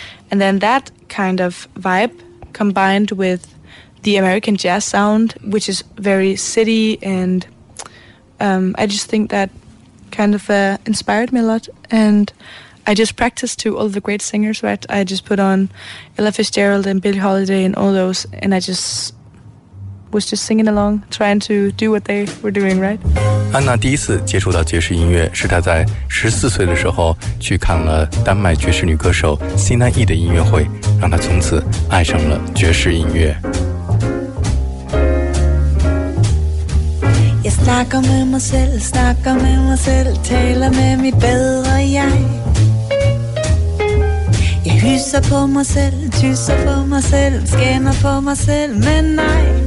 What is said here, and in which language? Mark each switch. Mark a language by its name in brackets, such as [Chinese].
[English] And then that kind of vibe combined with the American jazz sound, which is very city, and I just think that kind of inspired me a lot. And... I just practiced to all the great singers, right? I just put on Ella Fitzgerald and Billie Holiday and all those, and I just was just singing along, trying to do what they were doing, right? [Chinese] 安娜第一次接触到爵士音乐是她在14岁的时候去看了丹麦爵士女歌手 Sina E 的音乐会，让她从此爱上了爵士音乐。 [Danish] Jeg snakker med mig selv, snakker med mig selv, taler med mit bedre jeg. Jeg hyser på mig selv, tyser på mig selv, skænder på mig selv, men nej.